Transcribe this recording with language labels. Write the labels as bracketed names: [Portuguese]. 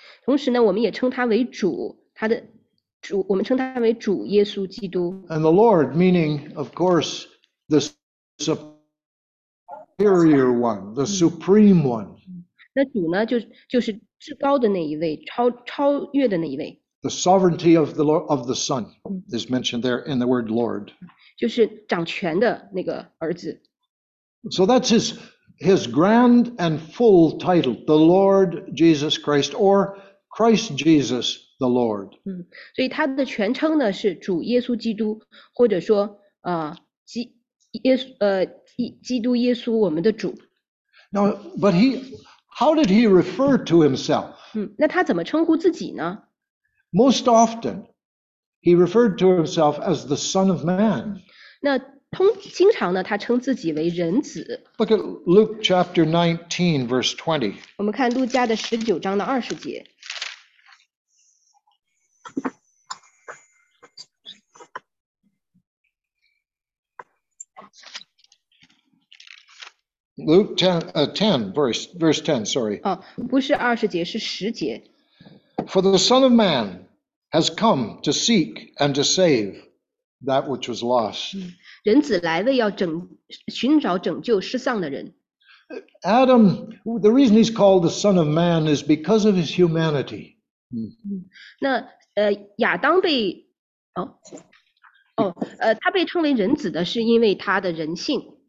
[Chinese] 同时呢，我们也称他为主，他的主，我们称他为主耶稣基督。 [English] And the Lord, meaning, of course, the superior one, the supreme one. [Chinese] 那主呢，就是至高的那一位，超越的那一位。 [English] The sovereignty of the Lord, of the Son is mentioned there in the word Lord. [Chinese] 就是掌权的那个儿子。 [English] So that's his grand and full title, the Lord Jesus Christ, or Christ Jesus the Lord. [Chinese] 所以他的全称呢是主耶稣基督，或者说基督耶稣我们的主。 [English] Now, but he How did he refer to himself? [Chinese] 那他怎么称呼自己呢？ [English] Most often, he referred to himself as the Son of Man. [Chinese] 那经常呢，他称自己为人子。 [English] Look at Luke chapter 19, verse 20. [Chinese] 我们看路加的十九章的二十节。 [English] Luke 10, verse 10. [Chinese] 哦，不是二十节，是十节。 [English] For the Son of Man has come to seek and to save that which was lost. [Chinese] 人子来为要拯寻找拯救失丧的人。 [English] Adam, the reason he's called the Son of Man is because of his humanity. [Chinese] 那亚当被他被称为人子的是因为他的人性。